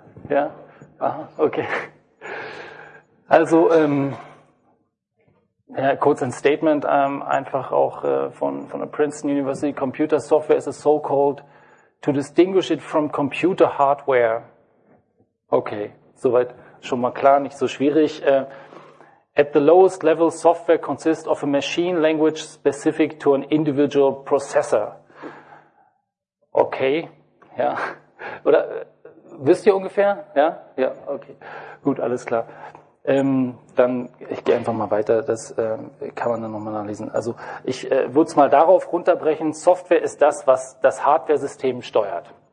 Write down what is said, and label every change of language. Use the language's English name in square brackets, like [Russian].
[German] Ja? Aha, okay. Also, ja, kurz ein Statement, einfach auch von der Princeton University: [English] Computer Software is a so-called to distinguish it from computer hardware. [German] Okay, soweit schon mal klar, nicht so schwierig. [English] At the lowest level, software consists of a machine language specific to an individual processor. [German] Okay, ja. Oder wisst ihr ungefähr? Ja, okay. Gut, alles klar. Dann, ich gehe einfach mal weiter, das kann man dann nochmal nachlesen. Also ich würde es mal darauf runterbrechen: Software ist das, was das Hardware-System steuert.